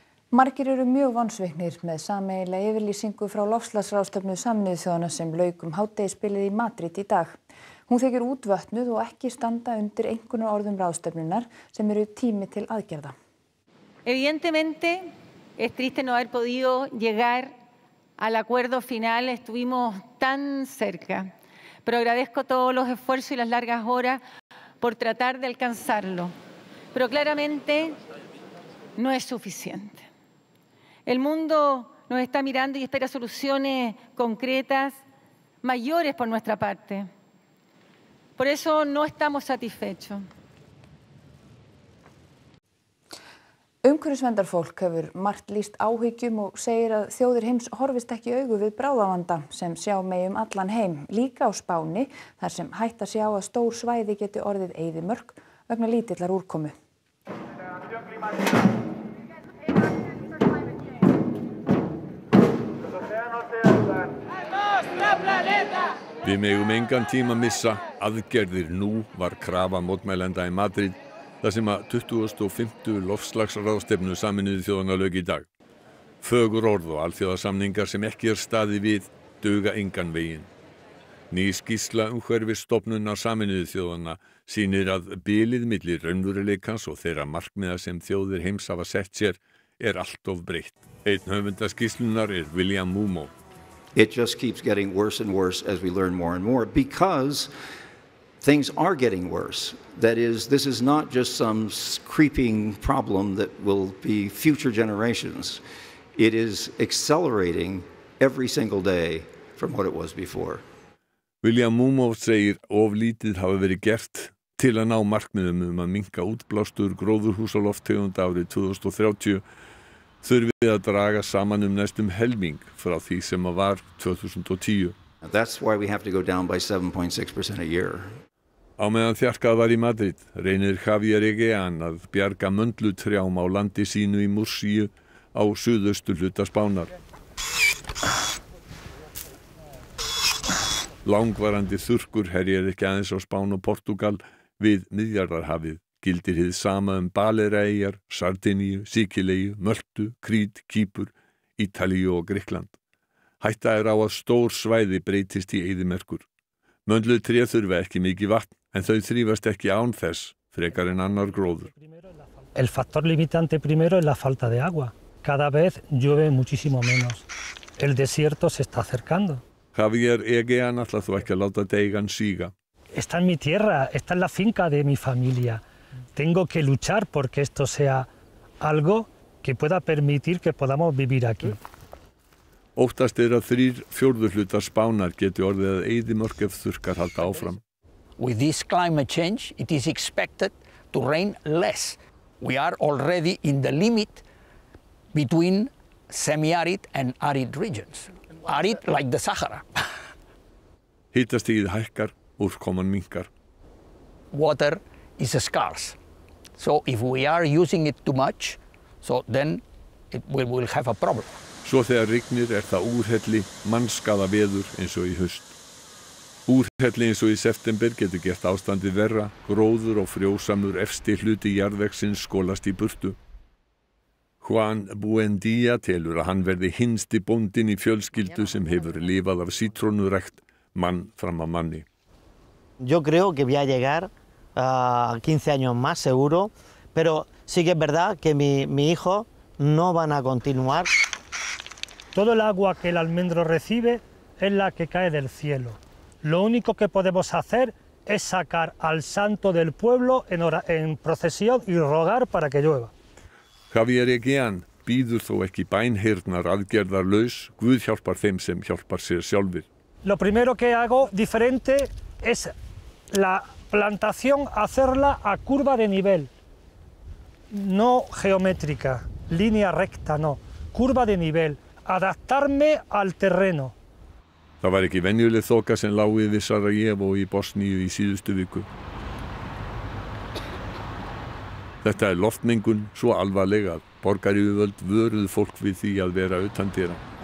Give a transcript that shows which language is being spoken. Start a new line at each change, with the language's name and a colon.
Icelandic: Margir eru mjög vonsviknir með sameiginlega yfirlýsingu frá loftslagsráðstefnu Sameinuðu þjóðanna sem lauk hádegisbilið í Madrid í dag. Hún þykir útvötnuð og ekki standa undir einkunnar orðum ráðstefnunar sem eru tími til aðgerða.
Spanish: Evidentemente es triste no haber podido llegar al acuerdo final, estuvimos tan cerca. Pero agradezco todos los esfuerzos y las largas horas por tratar de alcanzarlo. Pero claramente no es suficiente. El mundo nos está mirando y espera soluciones concretas mayores por nuestra parte. Por eso no estamos satisfechos.
Icelandic: Umhverfisverndarfólk hefur margt lýst áhyggjum og segir að þjóðir heims horfist ekki augu við bráðavanda sem sjá megi allan heim, líka á Spáni, þar sem hætta sjá að stór svæði geti orðið eyðimörk vegna lítillar úrkomu. Við megum engan tíma missa, aðgerðir nú var krafa mótmælenda í Madrid þar sem að 25. Loftslagsráðstefnu Sameinuðu þjóðanna lauk í dag. Fögur orð og alþjóðasamningar sem ekki staði við duga engan veginn. Ný skýrsla umhverfisstofnunar Sameinuðu þjóðanna sýnir að bilið milli raunveruleikans og þeirra markmiða sem þjóðir heims hafa sett sér allt of breytt. Einn höfunda skýrslunnar William Mumo.
English: It just keeps getting worse and worse as we learn more and more because things are getting worse. That is, this is not just some creeping problem that will be future generations. It is accelerating every single day from what it was before.
Icelandic: William Mumo segir of lítið hafa verið gert til að ná markmiðum að minnka útblástur gróðurhúsalofttegunda árið 2030 þurfum við að draga saman næstum helming frá því sem var 2010.
English: That's why we have to go down by 7.6% a year.
Icelandic: Á meðan þjarkað var í Madrid, reynir Javier Egean að bjarga möndlutrjám á landi sínu í Murcíu á suðaustur hluta Spánar. Langvarandi þurrkur herjir ekki aðeins á Spán og Portugal við Miðjarðarhafið. Gildir hið sama Baleareyjar, Sardiníu, Sikileyju, Möltu, Krít, Kýpur, Ítalíu og Grikkland. Hætta á að stór svæði breytist í eyðimerkur. Möndlutré þurfa ekki mikið vatn, en þau þrífast ekki án þess, frekar en annar gróður.
Spanish: El factor limitante primero es la falta de agua. Cada vez llueve muchísimo menos. El desierto se está acercando.
Icelandic: Javier Egean ætla þú ekki að láta deigan síga.
Spanish: Esta es mi tierra, esta es la finca de mi familia. Tengo que luchar porque esto sea algo que pueda permitir que podamos vivir aquí.
Icelandic: Óttast að 3/4 Spánar geti orðið að eyðimörk ef þurrkar halda áfram.
English: With this climate change, it is expected to rain less. We are already in the limit between semi-arid and arid regions. Arid like the Sahara.
Icelandic: Hitastigið hækkar, úrkoman minkar.
English: Water is scarce. So if we are using it too much, so then we will have a problem.
Icelandic: Svo þegar rignir það úrhelli, mannskaða veður eins og í haust. Úrhelli eins og í september getur gert ástandið verra, gróður og frjósamur efsti hluti jarðvegsins skolast í burtu. Juan Buendía telur að hann verði hinsti bóndin í fjölskyldu sem hefur lifað af sítrónurækt mann fram að manni.
Spanish: Yo creo que voy a llegar a 15 años más seguro, pero sí que es verdad que mi hijo no van a continuar. Todo el agua que el almendro recibe es la que cae del cielo. Lo único que podemos hacer es sacar al santo del pueblo en procesión y rogar para que llueva.
Icelandic: Javier Egean bíður þó ekki bænheyrnar aðgerðarlaus. Guð hjálpar þeim sem hjálpar sér sjálfir.
Spanish: Lo primero que hago diferente es la plantación hacerla a curva de nivel. No geométrica, línea recta, no. Curva de nivel. Adaptarme al terreno.
Icelandic: Það var ekki venjuleg þoka sem lá yfir Sarajevo í Bosníu í síðustu viku. Þetta er loftmengun svo alvarleg að borgaryfirvöld vöruð fólk við því að vera utan dyra.